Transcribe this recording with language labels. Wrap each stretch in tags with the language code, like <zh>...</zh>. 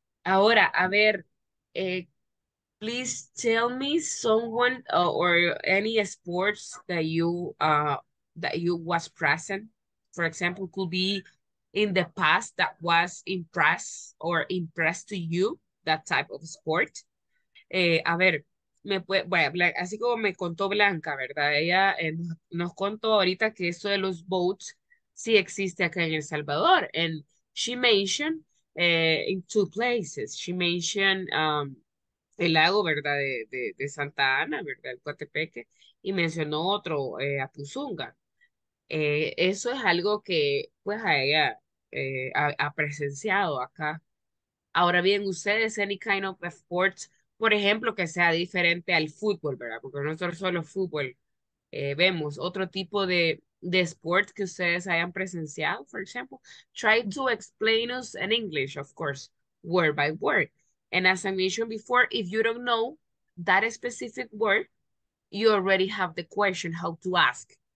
<es>Ahora, a ver,</es> <en>please tell me someone or any sports that you was present. For example, could be in the past that was impressed or impressed to you, that type of sport.</en> <es>A ver, me puede, bueno, así como me contó Blanca, ¿verdad? Ella nos contó ahorita que esto de los boats sí existe acá en El Salvador.</es> <en>And she mentioned in two places. She mentioned</en> <es>el lago, ¿verdad? De Santa Ana, ¿verdad? El Coatepeque. Y mencionó otro, Apuzunga. Eso es algo que, pues, a ella ha presenciado acá. Ahora bien, ustedes,</es> <en>any kind of sports,</en> <es>por ejemplo, que sea diferente al fútbol, ¿verdad? Porque nosotros solo fútbol vemos. Otro tipo de sport que ustedes hayan presenciado, por ejemplo.</es> <en>Try to explain us in English, of course, word by word. And as I mentioned before, if you don't know that specific word, you already have the question how to ask.</en>